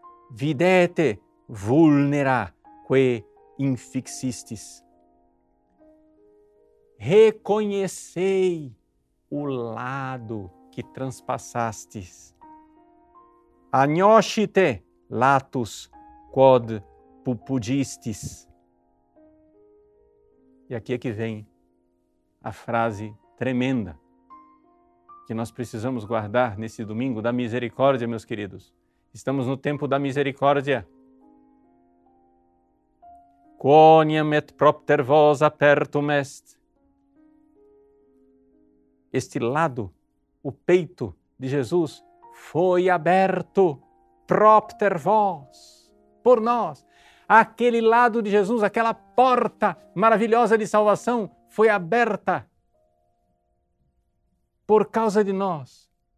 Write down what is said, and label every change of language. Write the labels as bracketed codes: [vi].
[la] Videte vulnera quae infixistis. [pt] Reconhecei o lado que transpassastes. [la] Agnoscite latus quod pupudistis. [pt] E aqui é que vem a frase tremenda que nós precisamos guardar nesse domingo da misericórdia, meus queridos. Estamos no tempo da misericórdia. [la] Quoniam et propter vos apertum est. [pt] Este lado, o peito de Jesus, foi aberto [la] propter [pt] vós, por nós. Aquele lado de Jesus, aquela porta maravilhosa de salvação, foi aberta por causa de nós.